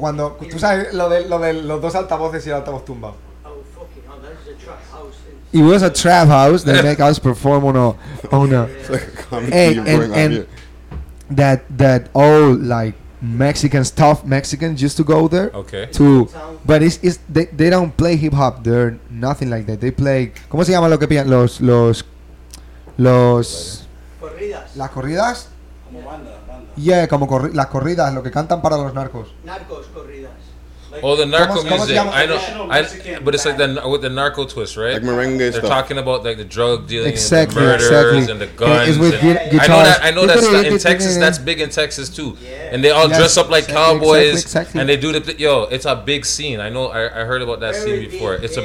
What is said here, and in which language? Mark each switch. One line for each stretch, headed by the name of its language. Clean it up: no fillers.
Spanish: Cuando tú sabes lo de los dos altavoces y el altavoz tumba.
English: Oh, fucking hell, that is a trap house. It was a trap house that make us perform on a and that old like Mexican stuff. Mexicans used to go there. Okay. To but it's they don't play hip hop. They're nothing like that. They play.
Spanish: ¿Cómo se llama lo que pían los corridas? Las corridas. Como banda. Yeah, como las corridas, lo que cantan para los narcos. Narcos corridas.
English: Like, oh, the narco music. But it's like with the narco twist, right? Like merengue stuff. They're talking about like the drug dealing, exactly, and the murders, exactly, and the guns. It's with guitars. I know that's in Texas. That's big in Texas too. Yeah. And they all dress up like cowboys, exactly. And they do the yo. It's a big scene. I know. I heard about that scene before.